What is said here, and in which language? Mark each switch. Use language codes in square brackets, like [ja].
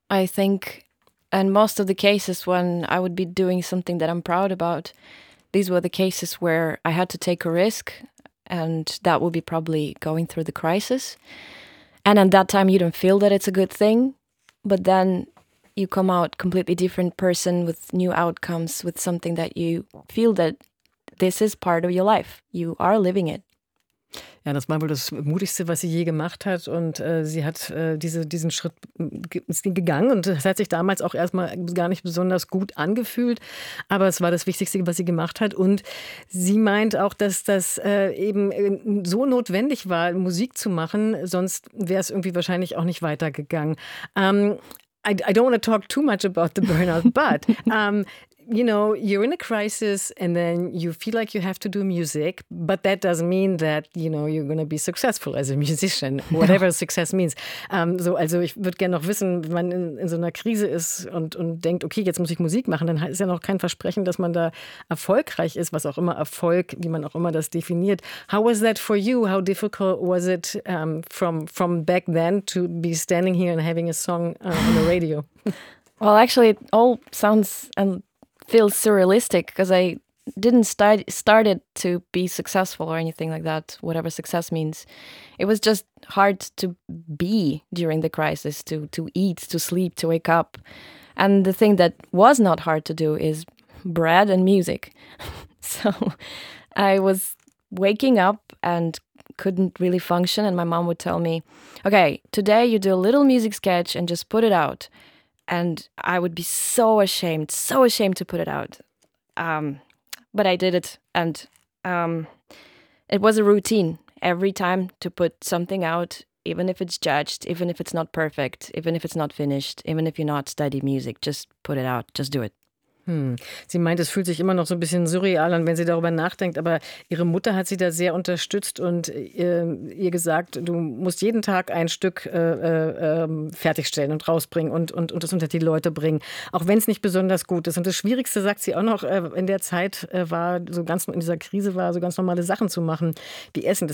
[en] I think in most of the cases when I would be doing something that I'm proud about, these were the cases where I had to take a risk and that would be probably going through the crisis. And at that time, you don't feel that it's a good thing, but then you come out completely different person with new outcomes, with something that you feel that this is part of your life. You are living it. [de] Ja, das war wohl das Mutigste, was sie je gemacht hat. Und sie hat diesen Schritt gegangen. Und das hat sich damals auch erstmal gar nicht besonders gut angefühlt. Aber es war das Wichtigste, was sie gemacht hat. Und sie meint auch, dass das eben so notwendig war, Musik zu machen. Sonst wäre es irgendwie wahrscheinlich auch nicht weitergegangen. [en] I don't want to talk too much about the burnout, but... you know, you're in a crisis and then you feel like you have to do music, but that doesn't mean that, you know, you're going to be successful as a musician, whatever success means. [de] Also ich würde gerne noch wissen, wenn man in so einer Krise ist und denkt, okay, jetzt muss ich Musik machen, dann ist ja noch kein Versprechen, dass man da erfolgreich ist, was auch immer Erfolg, wie man auch immer das definiert. [en] How was that for you? How difficult was it from back then to be standing here and having a song on the radio? Well, actually, it all sounds... feels surrealistic because I didn't started to be successful or anything like that, whatever success means. It was just hard to be during the crisis, to eat, to sleep, to wake up. And the thing that was not hard to do is bread and music. So I was waking up and couldn't really function. And my mom would tell me, okay, today you do a little music sketch and just put it out. And I would be so ashamed to put it out. But I did it. And it was a routine every time to put something out, even if it's judged, even if it's not perfect, even if it's not finished, even if you're not studying music, just put it out, just do it. [de] Sie meint, es fühlt sich immer noch so ein bisschen surreal an, wenn sie darüber nachdenkt, aber ihre Mutter hat sie da sehr unterstützt und ihr gesagt, du musst jeden Tag ein Stück fertigstellen und rausbringen und das unter die Leute bringen, auch wenn es nicht besonders gut ist. Und das Schwierigste, sagt sie auch noch, in der Zeit war, so ganz in dieser Krise war, so ganz normale Sachen zu machen, wie Essen.